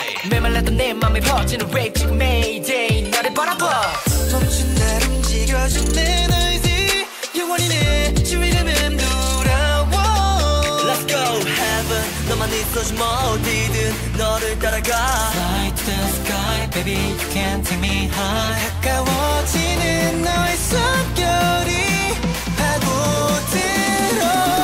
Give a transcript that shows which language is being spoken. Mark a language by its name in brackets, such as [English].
[Korean] 메말랐던 내 맘에 퍼지는 rave 지금 매일 너를 바라봐. 멈춘 날 움직여주는 너의 영원히 내 주위감은 돌아와. [English] Let's go. Heaven, [Korean] 너만 있어 좀 어디든 너를 따라가. [English] Fly to the sky, baby, you can take me high. [Korean] 가까워지는 너의 숨결이 파고들어.